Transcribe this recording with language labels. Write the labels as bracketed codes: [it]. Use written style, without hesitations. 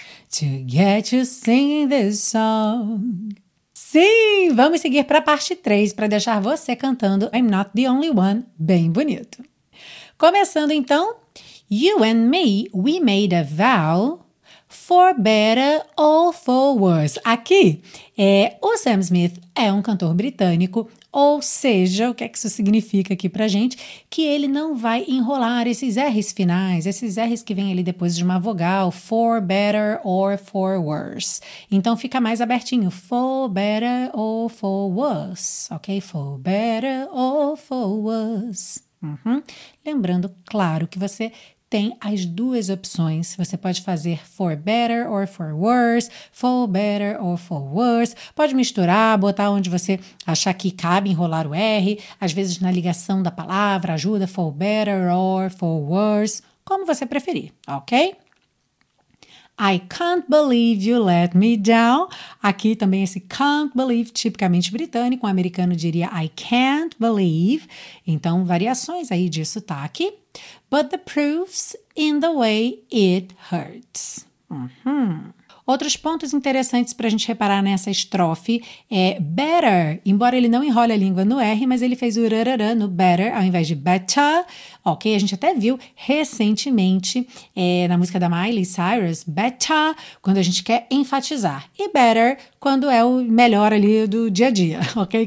[en] To get you singing this song. [pt] Sim, vamos seguir para a parte 3 para deixar você cantando I'm Not the Only One bem bonito. Começando então, [en] You and me, we made a vow for better or for worse. [pt] Aqui, o Sam Smith é um cantor britânico, ou seja, o que é que isso significa aqui pra gente? Que ele não vai enrolar esses R's finais, esses R's que vêm ali depois de uma vogal, for better or for worse. Então fica mais abertinho, for better or for worse, ok? [en] For better or for worse. Uhum. [pt] Lembrando, claro, que você tem as duas opções. [en] Você pode fazer for better or for worse, for better or for worse. [pt] Pode misturar, botar onde você achar que cabe enrolar o R. Às vezes na ligação da palavra ajuda, for better or for worse. Como você preferir, ok? [en] I can't believe you let me down. [pt] Aqui também esse can't believe, tipicamente britânico. Um americano diria I can't believe. Então, variações aí de sotaque. [en] But the proof's in the way it hurts. Uhum. [pt] Outros pontos interessantes para a gente reparar nessa estrofe é better, embora ele não enrole a língua no R, mas ele fez o rararã no better ao invés de better, ok? A gente até viu recentemente na música da Miley Cyrus, better, quando a gente quer enfatizar, e better, quando é o melhor ali do dia a dia, ok?